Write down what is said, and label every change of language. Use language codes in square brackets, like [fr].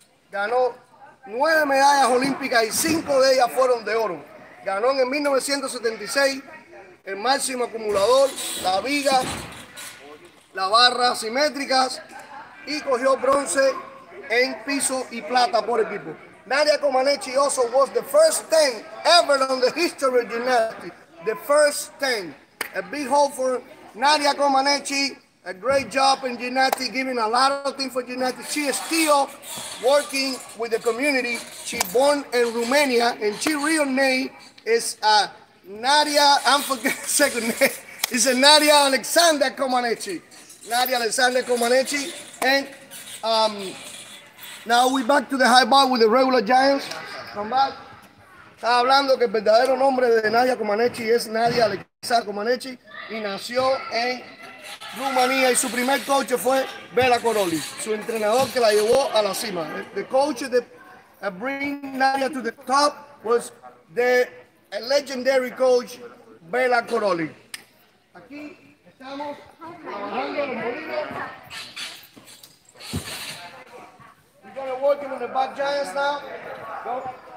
[es] Ganó 9 medallas olímpicas y 5 de ellas fueron de oro. Ganó en 1976 el máximo acumulador, la viga, la barra simétricas y cogió bronce en piso y plata por equipo. [en] Nadia Comaneci also was the first 10 ever on the history of gymnastics. The first 10. A big hope for Nadia Comaneci. A great job in gymnastics, giving a lot of things for gymnastics. She is still working with the community. She born in Romania, and she real name is Nadia, I'm forgetting second name. It's Nadia Alexander Comaneci. Nadia Alexander Comaneci. And now we back to the high bar with the regular giants. Come back. [es] Estaba hablando que el verdadero nombre de Nadia Comaneci es Nadia Alexa Comaneci y nació en Rumanía y su primer coach fue Bela Coroli, su entrenador que la llevó a la cima. [en] The coach that bring Nadia to the top was the legendary coach Bela Coroli. [es] Aquí estamos trabajando los molinos. [en] We're gonna work on the back giants now. Go.